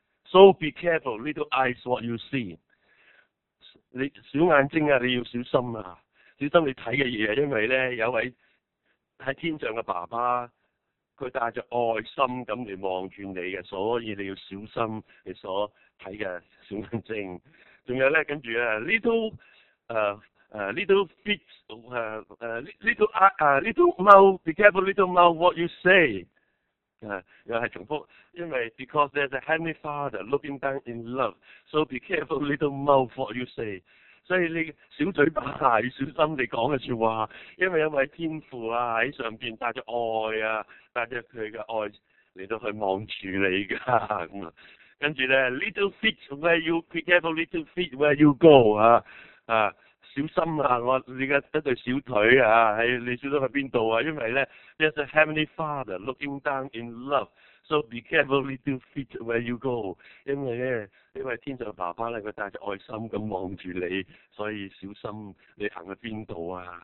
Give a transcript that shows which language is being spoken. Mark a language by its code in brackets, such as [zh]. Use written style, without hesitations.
[en] So be careful, little eyes, what you see. [yue] 你小眼睛啊，你要小心啊，小心你睇嘅嘢，因为咧有位喺天上嘅爸爸，佢带着爱心咁嚟望住你嘅，所以你要小心你所睇嘅小眼睛。仲有咧，跟住啊 [en] be careful, little mouse, what you say. [yue] 又是重複，因為 [en] because there's a heavenly father looking down in love, so be careful, little mouse, what you say. [yue] 所以你小嘴巴要小心你講的說話，因為有位天父在上面帶着愛啊，帶着他的愛來到去望住你的。跟住呢 [en] little feet where you, be careful, little feet where you go. [yue] 小心啊！你嘅一对小腿啊，你小心去边度啊？因为咧 [en] ，there's a heavenly father looking down in love, so be careful little feet where you go。 [yue] 因为咧，因为天上爸爸咧，佢带着爱心咁望住你，所以小心你行去边度啊？